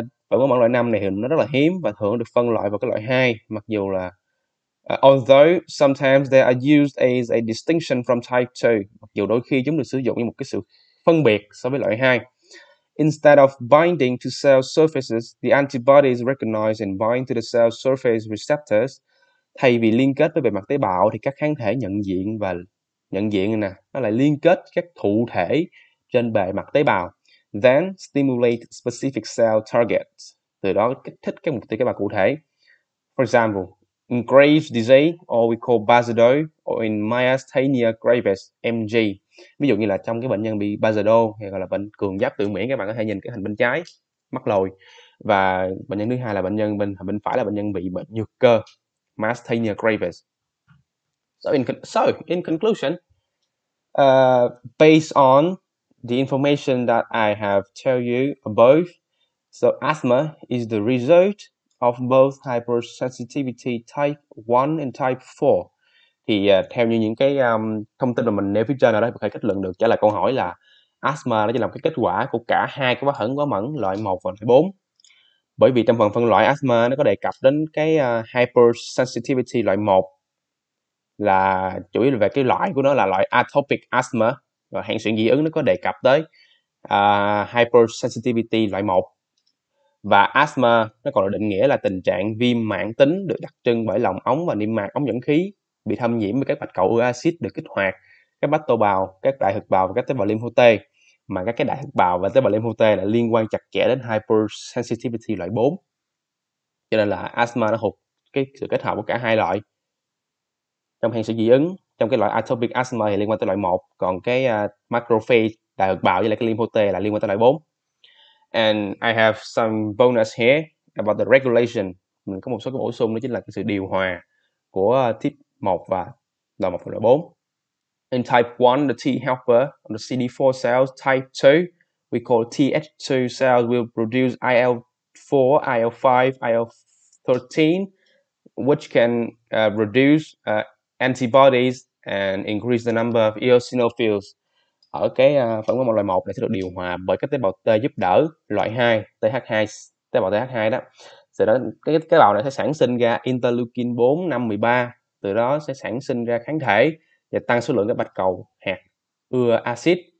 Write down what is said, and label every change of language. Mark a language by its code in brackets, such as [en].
[vi] Phản ứng mẫn loại 5 này thì nó rất là hiếm và thường được phân loại vào cái loại 2, mặc dù là [en] although sometimes they are used as a distinction from type 2, [vi] mặc dù đôi khi chúng được sử dụng như một cái sự phân biệt so với loại 2. [en] Instead of binding to cell surfaces, the antibody is recognized and bind to the cell surface receptors. [vi] Thay vì liên kết với bề mặt tế bào thì các kháng thể nhận diện nè, nó lại liên kết các thụ thể trên bề mặt tế bào. [en] Then stimulate specific cell targets. [vi] Từ đó kích thích các mục tiêu tế bào cụ thể. [en] For example, in Graves' disease, or we call Basedo, or in myasthenia gravis, MG. [vi] Ví dụ như là trong cái bệnh nhân bị Basedo, hay gọi là bệnh cường giáp tự miễn, các bạn có thể nhìn cái hình bên trái, mắt lồi. Và bệnh nhân thứ hai là bệnh nhân bên phải là bệnh nhân bị bệnh nhược cơ, myasthenia gravis. [en] So in conclusion, based on the information that I have told you above, so asthma is the result of both hypersensitivity type 1 and type 4. [vi] Thì theo như những cái thông tin mà mình nêu phía trên ở đây, mình có thể kết luận được trả lời câu hỏi là asthma nó chỉ là một cái kết quả của cả hai cái phản ứng quá mẫn loại 1 và loại 4. Bởi vì trong phần phân loại asthma nó có đề cập đến cái hypersensitivity loại 1 là chủ yếu là về cái loại của nó là loại atopic asthma, và hen suyễn dị ứng nó có đề cập tới hypersensitivity loại 1. Và asthma nó còn được định nghĩa là tình trạng viêm mãn tính được đặc trưng bởi lòng ống và niêm mạc ống dẫn khí bị thâm nhiễm với các bạch cầu ưa axit được kích hoạt, các bát tô bào, các đại thực bào và các tế bào lympho T, mà các cái đại thực bào và tế bào lympho T là liên quan chặt chẽ đến hypersensitivity loại 4. Cho nên là asthma nó thuộc cái sự kết hợp của cả hai loại. Trong hen suyễn dị ứng, trong cái loại atopic asthma thì liên quan tới loại 1, còn cái macrophage đại thực bào với lại cái lympho T là liên quan tới loại 4. [en] And I have some bonus here about the regulation. [vi] Mình có một số cái bổ sung, đó chính là cái sự điều hòa của type 1 và loại 1 và loại 4. [en] In type 1, the T helper, the CD4 cells, type 2, we call Th2 cells will produce IL-4, IL-5, IL-13, which can reduce antibodies and increase the number of eosinophils. [vi] Ở cái phản ứng loại 1 này sẽ được điều hòa bởi các tế bào T giúp đỡ loại 2, tế bào TH2 đó. Sau đó cái tế bào này sẽ sản sinh ra interleukin 4, 5, 13, từ đó sẽ sản sinh ra kháng thể và tăng số lượng các bạch cầu hạt ưa axit.